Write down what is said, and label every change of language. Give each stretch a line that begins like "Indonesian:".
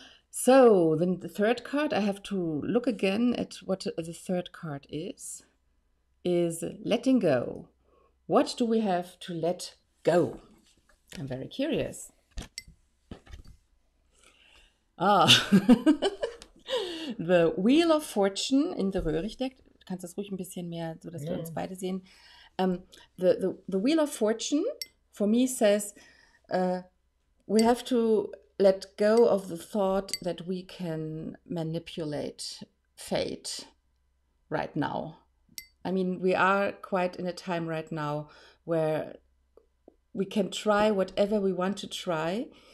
English: So then the third card, I have to look again at what the third card is letting go. What do we have to let go? I'm very curious. the Wheel of Fortune in the Röhrig deck.
German: Kannst du das ruhig ein bisschen mehr, so dass wir uns beide sehen?
English: The Wheel of Fortune for me says we have to let go of the thought that we can manipulate fate right now. I mean, we are quite in a time right now where we can try whatever we want to try.